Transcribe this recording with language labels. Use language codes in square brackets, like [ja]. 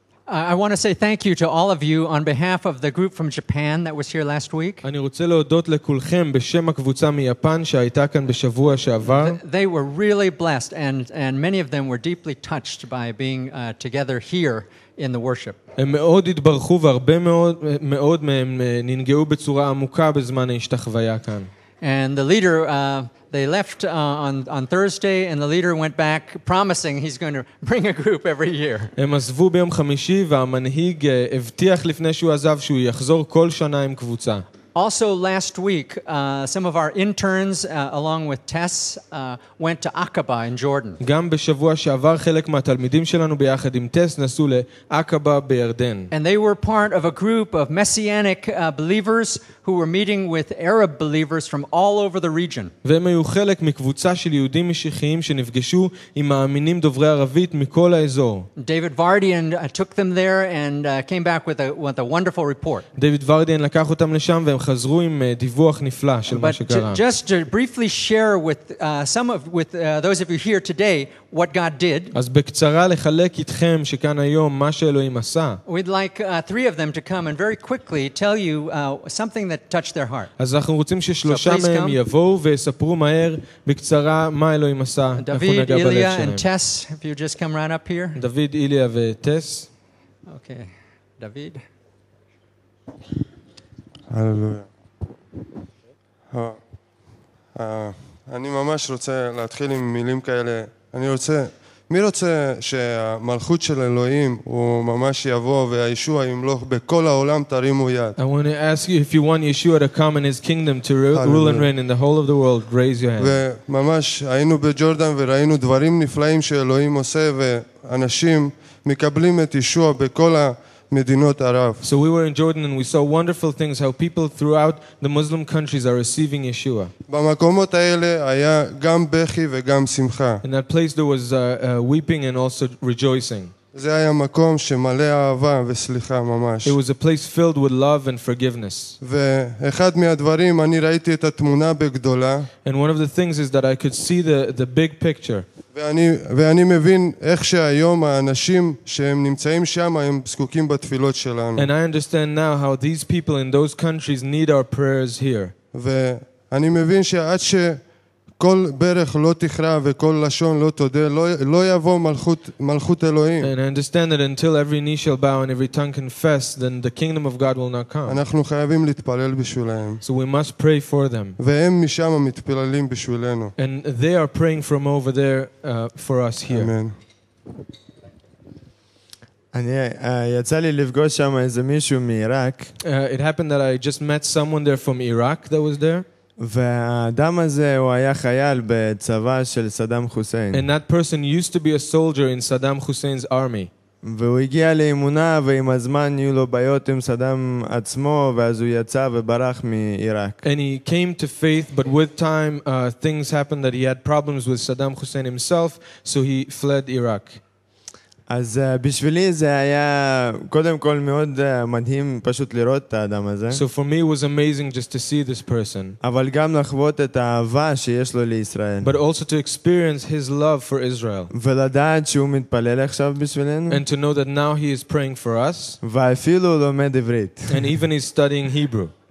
[en] I want to say thank you to all of you on behalf of the group from Japan that was here last week. [he] אני רוצה להודות לכולכם בשם הקבוצה מיפן שהייתה כאן בשבוע שעבר. [en] They were really blessed and many of them were deeply touched by being together here in the worship. [he] הם מאוד התברכו והרבה מאוד מאוד מהם ננגעו בצורה עמוקה בזמן ההשתחוויה כאן. [en] And the leader they left on Thursday and the leader went back promising he's going to bring a group every year. [he] הם עזבו ביום חמישי והמנהיג הבטיח לפני שהוא עזב שהוא יחזור כל שנה עם קבוצה. [en] Also last week some of our interns along with Tess went to Aqaba in Jordan. [he] גם בשבוע שעבר חלק מהתלמידים שלנו ביחד עם טס נסו לעקבה בירדן. [en] And they were part of a group of messianic believers who were meeting with Arab believers from all over the region. [he] והם היו חלק מקבוצה של יהודים משיחיים שנפגשו עם מאמינים דוברי ערבית מכל האזור. [en] David Vardian took them there and came back with a wonderful report. [he] David Vardian לקח אותם לשם והם חזרו עם דיווח נפלא של מה שקרה. [en] But just to briefly share with those of you here today what God did. [he] אז בקצרה לחלק איתכם שכאן היום מה שאלוהים עשה. [en] We'd like three of them to come and very quickly tell you something that touched their heart. [he] אז אנחנו רוצים ששלושה מהם יבואו ויספרו מהר בקצרה מה אלוהים עשה. [en] David, Ilya and Tess, if you just come right up here. [he] David, Ilya וטס. [en] Okay. David. Hallelujah. [he] אני ממש רוצה להתחיל עם מילים כאלה. אני רוצה מי רוצה שהמלכות של אלוהים הוא ממש יבוא והישוע ימלוך בכל העולם תרימו יד. [en] I want to ask you if you want Yeshua to come in his kingdom to rule and reign in the whole of the world, raise your hand. [he] וממש היינו בג'ורדן וראינו דברים נפלאים שאלוהים עושה ואנשים מקבלים את ישוע בכל המדינות ערב. [en] So we were in Jordan and we saw wonderful things how people throughout the Muslim countries are receiving Yeshua. [he] במקומות האלה היה גם בכי וגם שמחה. [en] In that place there was weeping and also rejoicing. [he] זה היה מקום שמלא אהבה וסליחה ממש. [en] It was a place filled with love and forgiveness. [he] ואחד מהדברים אני ראיתי את התמונה בגדולה. [en] And one of the things is that I could see the big picture. [he] ואני מבין איך שהיום האנשים שהם נמצאים שם הם זקוקים בתפילות שלנו. [en] And I understand now how these people in those countries need our prayers here. [he] ואני מבין שעד ש כל ברך לא תכרע וכל לשון לא תודה לא יבוא מלכות אלוהים. [en] And I understand that until every knee shall bow and every tongue confess, then the kingdom of God will not come. [he] אנחנו חייבים להתפלל בשבילם. [en] So we must pray for them. [he] והם משם מתפללים בשבילנו. [en] And they are praying from over there for us here. Amen. [he] אני יצא לי לפגוש שם איזה מישהו מעיראק. [en] It happened that I just met someone there from Iraq that was there. [he] והאדם הזה הוא היה חייל בצבא של סדאם חוסיין. [en] And that person used to be a soldier in Saddam Hussein's army. [he] והוא הגיע לאמונה ועם הזמן היו לו בעיות עם סדאם עצמו ואז הוא יצא וברח מעיראק. [en] And he came to faith but with time things happened that he had problems with Saddam Hussein himself so he fled Iraq. [he] אז בשבילי זה היה קודם כל מאוד מדהים פשוט לראות את האדם הזה. [en] So for me it was amazing just to see this person. [he] אבל גם לחוות את האהבה שיש לו לישראל. [en] But also to experience his love for Israel. [he] ולדעת שהוא מתפלל עכשיו בשבילנו. [en] And to know that now he is praying for us. [he] ואפילו לומד עברית. [en] And even he's studying Hebrew.